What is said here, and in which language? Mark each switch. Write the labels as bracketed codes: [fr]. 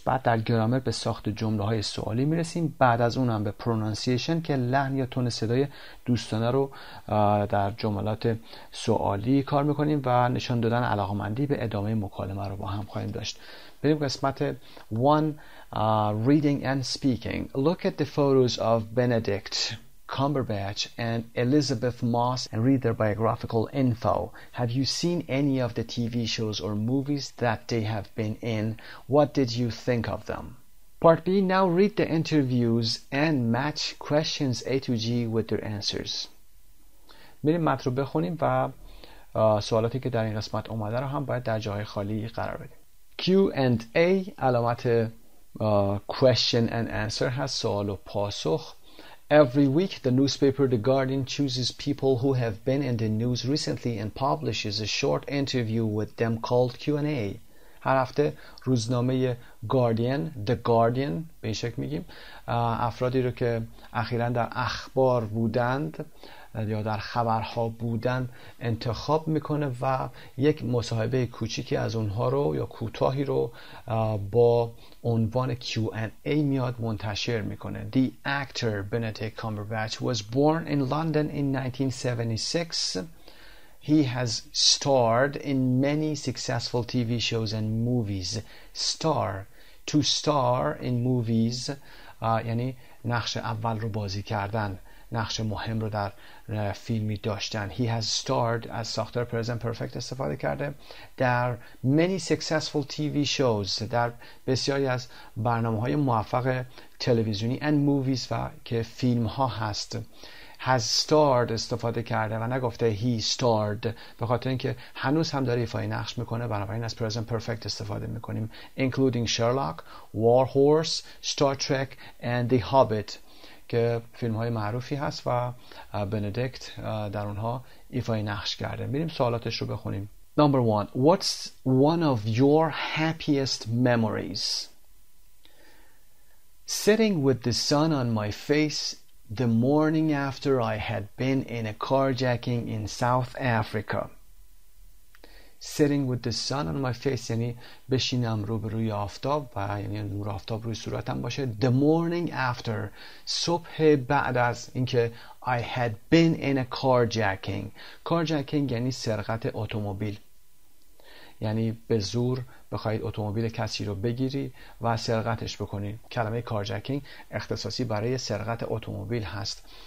[fa] بعد در گرامر به ساخت جمله های سوالی میرسیم، بعد از اونم به پرونانسیشن که لحن یا تون صدای دوستانه رو در جملات سوالی کار میکنیم و نشان دادن علاقمندی به ادامه مکالمه رو با هم خواهیم داشت. بریم قسمت 1. [en] Reading and speaking. Look at the photos of Benedict Cumberbatch and Elizabeth Moss and read their biographical info. Have you seen any of the TV shows or movies that they have been in? What did you think of them? Part B. Now read the interviews and match questions A to G with their answers. [fa] میریم متن رو بخونیم و سوالاتی که در این قسمت اومده رو هم باید در جای خالی قرار بدیم. Q&A علامت [en] question and answer [fa] هست، سوال و پاسخ. [en] Every week, the newspaper The Guardian chooses people who have been in the news recently and publishes a short interview with them called Q&A. [fa] هر هفته روزنامه Guardian, The Guardian به این شکل میگیم، افرادی رو که اخیراً در اخبار بودند یا در خبرها بودند انتخاب میکنه و یک مصاحبه کوچیکی از اونها رو یا کوتاهی رو با عنوان Q&A میاد منتشر میکنه. [en] The actor Benedict Cumberbatch was born in London in 1976. He has starred in many successful TV shows and movies. Star, to star in movies، [fa] یعنی نقش اول رو بازی کردن. نقش مهم رو در فیلمی داشتن. [en] He has starred, [fa] از ساختار present perfect استفاده کرده, در [en] many successful TV shows, [fa] در بسیاری از برنامه‌های موفق تلویزیونی and movies, و که فیلم ها هست. Has starred استفاده کرده و نگفته [en] he starred, [fa] به خاطر اینکه هنوز هم داره ایفای نقش میکنه, بنابراین از present perfect استفاده میکنیم. [en] Including Sherlock, War Horse, Star Trek and The Hobbit, [fa] که فیلم های معروفی هست و بندیکت در اونها ایفای نقش کرده. میریم سوالاتش رو بخونیم. [en] Number one, what's one of your happiest memories? Sitting with the sun on my face the morning after I had been in a carjacking in South Africa. Sitting with the sun on my face, [fa] یعنی بشینم روبروی آفتاب و یعنی نور آفتاب روی صورتم باشه. [en] The morning after, [fa] صبح بعد از اینکه [en] I had been in a carjacking. [fa] Carjacking یعنی سرقت اتومبیل. یعنی به زور بخواید اتومبیل کسی رو بگیری و سرقتش بکنی. کلمه carjacking اختصاصی برای سرقت اتومبیل هست.